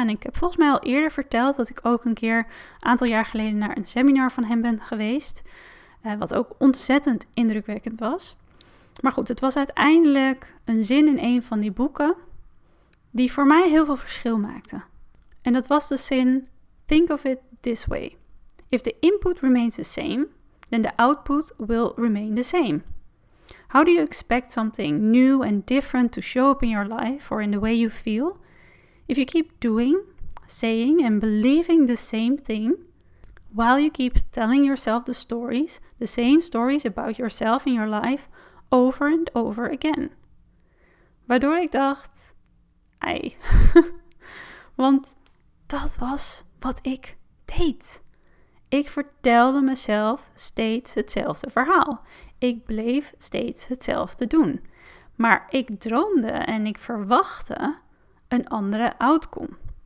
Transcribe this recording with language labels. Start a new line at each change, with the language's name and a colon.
Dutch: En ik heb volgens mij al eerder verteld dat ik ook een keer een aantal jaar geleden naar een seminar van hem ben geweest. Wat ook ontzettend indrukwekkend was. Maar goed, het was uiteindelijk een zin in een van die boeken die voor mij heel veel verschil maakte. En dat was de zin,
English: think of it this way. If the input remains the same, then the output will remain the same. How do you expect something new and different to show up in your life or in the way you feel? If you keep doing, saying and believing the same thing, while you keep telling yourself the stories, the same stories about yourself and your life, over and over again.
Dutch: Waardoor ik dacht, ei, want dat was wat ik deed. Ik vertelde mezelf steeds hetzelfde verhaal. Ik bleef steeds hetzelfde doen. Maar ik droomde en ik verwachtte een andere outcome.